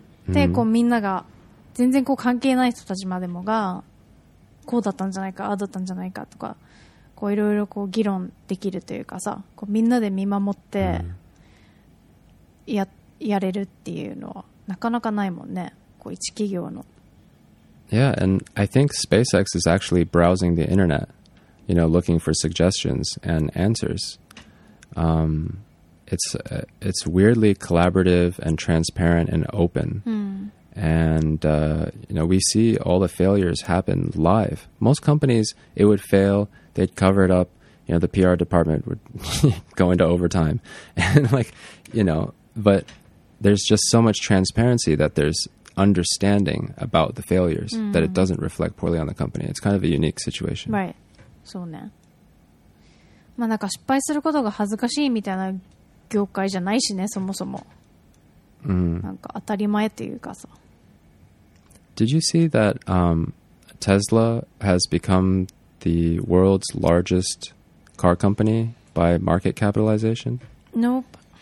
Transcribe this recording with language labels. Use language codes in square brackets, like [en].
[ja] で、こうみんなが全然こう関係ない人たちまでもがこうだったんじゃないか、ああだったんじゃないかとか、こういろいろこう議論できるというかさ。こうみんなで見守ってやれるっていうのはなかなかないもんね。こう一企業の。 [en] Yeah, and I think SpaceX is actually browsing the internet, you know, looking for suggestions and answers. It's weirdly collaborative and transparent and open. Mm. And, you know, we see all the failures happen live. Most companies, it would fail, they'd cover it up, you know, the PR department would go into overtime. And like, you know, but there's just so much transparency that there's understanding about the failures, mm. that it doesn't reflect poorly on the company. It's kind of a unique situation. Right. [ja] そうね。まあなんか失敗することが恥ずかしいみたいな業界じゃないしね、そもそも。なんか当たり前っていうかさ。 [en] Did you see that、Tesla has become the world's largest car company by market capitalization? Nope.